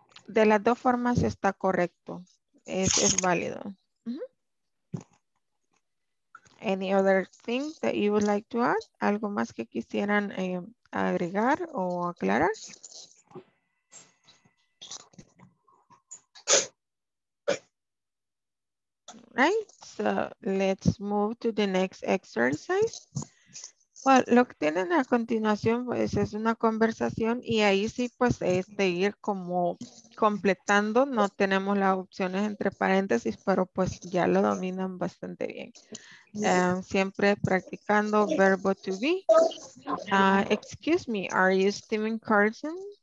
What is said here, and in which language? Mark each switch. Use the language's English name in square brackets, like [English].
[Spanish] De las dos formas está correcto, es válido. Uh-huh. [English] Any other thing that you would like to add? [Spanish] ¿Algo más que quisieran agregar o aclarar? [English] Right, so let's move to the next exercise. [Spanish] Bueno, lo que tienen a continuación pues es una conversación y ahí sí pues es de ir como completando. No tenemos las opciones entre paréntesis, pero pues ya lo dominan bastante bien. Siempre practicando verbo to be. [English] Excuse me, are you Steven Carson?